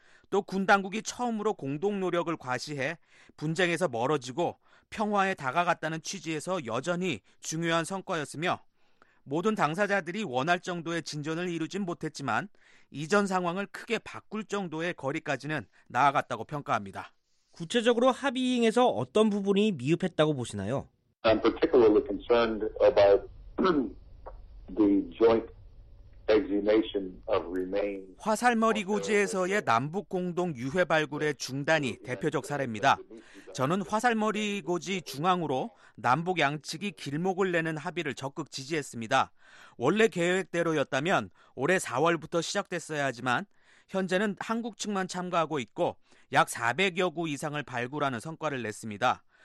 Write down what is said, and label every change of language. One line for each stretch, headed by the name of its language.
Korean: 또 군 당국이 처음으로 공동 노력을 과시해 분쟁에서 멀어지고 평화에 다가갔다는 취지에서 여전히 중요한 성과였으며 모든 당사자들이 원할 정도의 진전을 이루진 못했지만 이전 상황을 크게 바꿀 정도의 거리까지는 나아갔다고 평가합니다. 구체적으로 합의 이행에서 어떤 부분이 미흡했다고 보시나요?
English: I'm particularly concerned about the joint exhumation of remains.
Korean: 화살머리 고지에서의 남북 공동 유해 발굴의 중단이 대표적 사례입니다. 저는 화살머리 고지 중앙으로 남북 양측이 길목을 내는 합의를 적극 지지했습니다. 원래 계획대로였다면 올해 4월부터 시작됐어야 하지만 현재는 한국 측만 참가하고 있고 약 400여 구 이상을 발굴하는 성과를 냈습니다.